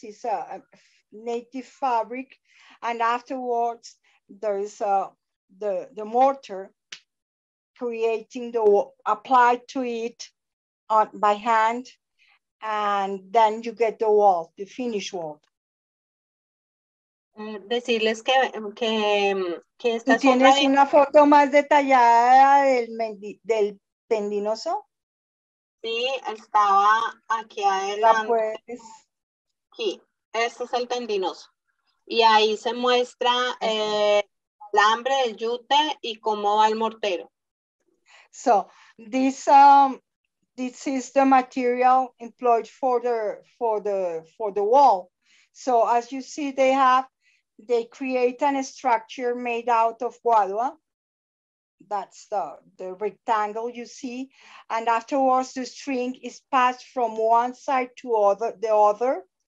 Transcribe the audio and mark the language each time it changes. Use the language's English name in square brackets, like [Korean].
[English] It's a native fabric, and afterwards there is the mortar creating the applied to it on by hand, and then you get the wall, the finished wall. [Spanish] Decirles que esta ¿Tú tienes una foto más detallada del tendinoso? Sí, estaba aquí adelante. ¿La puedes? Sí, este es el tendinoso. Y ahí se muestra el alambre, el yute y cómo va el mortero. [English] So, this is the material employed for the wall. So, as you see, they create a structure made out of guadua. That's the rectangle you see. And afterwards, the string is passed from one side to the other.